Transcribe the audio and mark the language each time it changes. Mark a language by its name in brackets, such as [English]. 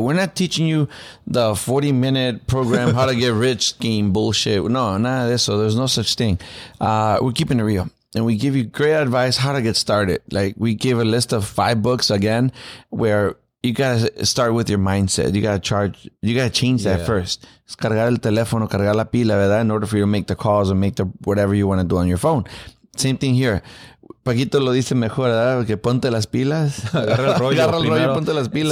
[English] We're not teaching you the 40-minute program, how to get rich scheme bullshit. [Spanish] No, nada de eso. [English] There's no such thing. We're keeping it real. And we give you great advice how to get started. Like, we give a list of 5 books, again, where you got to start with your mindset. You got to charge. You got to change that first. [Spanish] Es cargar el teléfono, cargar la pila, ¿verdad? [English] In order for you to make the calls and make the whatever you want to do on your phone. Same thing here. [Spanish] Paquito lo dice mejor, ¿verdad? Que ponte las pilas. Agarra el rollo. Agarra el rollo y ponte las pilas.